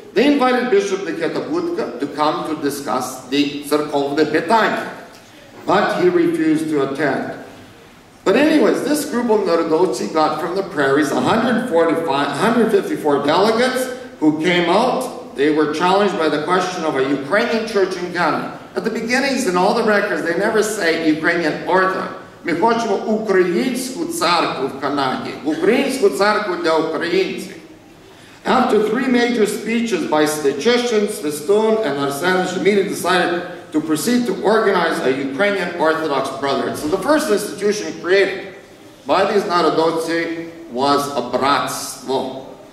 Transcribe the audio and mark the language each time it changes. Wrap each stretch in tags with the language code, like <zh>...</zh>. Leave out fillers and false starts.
<en>They invited Bishop Niketa Budka to come to discuss the</en> <uk>Церковне питання,</uk> <en>but he refused to attend. But anyways, this group of Narodotsi got from the prairies 154 delegates who came out. They were challenged by the question of a Ukrainian church in Canada. At the beginnings, in all the records, they never say Ukrainian Orthodox.</en> <uk>Ми хочемо українську церкву в Канаді, українську церкву для українців.</uk> <en>After three major speeches by Stichishin, Svistun, and Arsenych, the meeting decided to proceed to organize a Ukrainian Orthodox Brotherhood. So the first institution created by these Narodotsi was a Bratstvo.</en>